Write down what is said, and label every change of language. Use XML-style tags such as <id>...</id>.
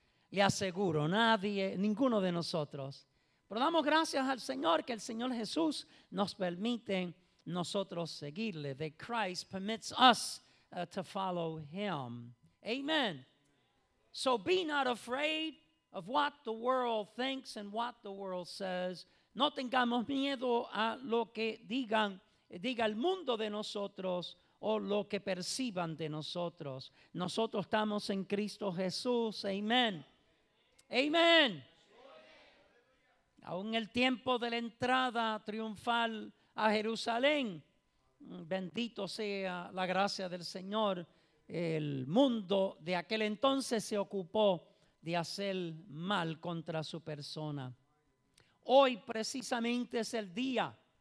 <es>Le aseguro, ninguno de nosotros. Pero damos gracias al Señor, que el Señor Jesús nos permite nosotros seguirle.</es> <en>That Christ permits us to follow him. Amen. So be not afraid of what the world thinks and what the world says.</en> <es>No tengamos miedo a lo que diga el mundo de nosotros o lo que perciban de nosotros. Nosotros estamos en Cristo Jesús. Amén. Amén. Aún en el tiempo de la entrada triunfal a Jerusalén, bendito sea la gracia del Señor, el mundo de aquel entonces se ocupó de hacer mal contra su persona. Hoy precisamente es el día</es>